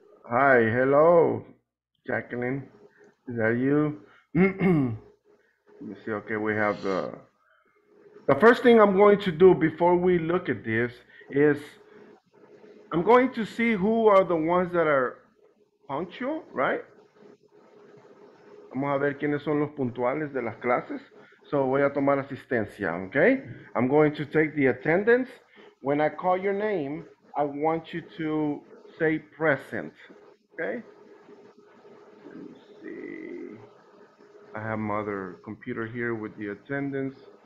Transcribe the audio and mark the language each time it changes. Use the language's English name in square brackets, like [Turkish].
[English] Hi, hello, Jacqueline. Is that you? Let me see. Okay, we have the first thing I'm going to do before we look at this is I'm going to see who are the ones that are punctual, right? [Spanish] Vamos a ver quiénes son los puntuales de las clases. [English] So [Spanish] voy a tomar asistencia, [English] okay? I'm going to take the attendance. When I call your name, I want you to say present, okay? Let me see. I have my other computer here with the attendance.